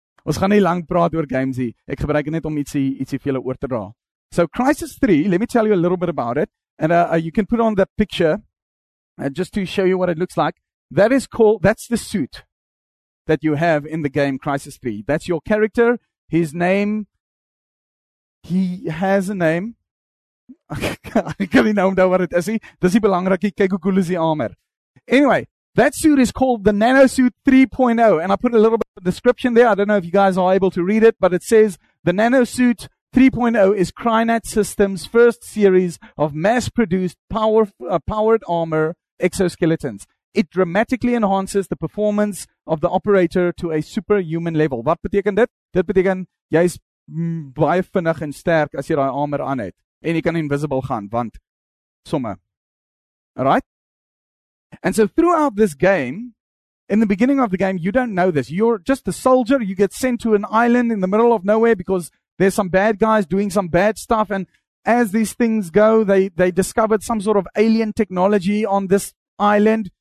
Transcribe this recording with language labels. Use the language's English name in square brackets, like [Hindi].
[Afrikaans] Ons gaan nie lang praat oor games hier. Ek gebruik dit net om ietsie vir julle oor te dra. [English] So Crysis 3, let me tell you a little bit about it. And you can put on that picture just to show you what it looks like. That's the suit that you have in the game Crysis 3. That's your character. His name, he has a name. I can't even know what it is. [Afrikaans] Dis nie belangrik nie. Kyk hoe cool is die armor. [English] Anyway, that suit is called the Nanosuit 3.0. And I put a little bit of a description there. I don't know if you guys are able to read it, but it says the Nanosuit 3.0 is Crynet Systems' first series of mass-produced powered armor exoskeletons. It dramatically enhances the performance of the operator to a superhuman level. [Afrikaans] Wat beteken dit? Dit beteken jy's baie vinnig en sterk as jy daai armor aan het en jy kan invisible gaan want somme. [English] All right? And so throughout this game, in the beginning of the game, you don't know this. You're just a soldier, you get sent to an island in the middle of nowhere because there's some bad guys doing some bad stuff, and as these things go, they discovered some sort of alien technology on this island.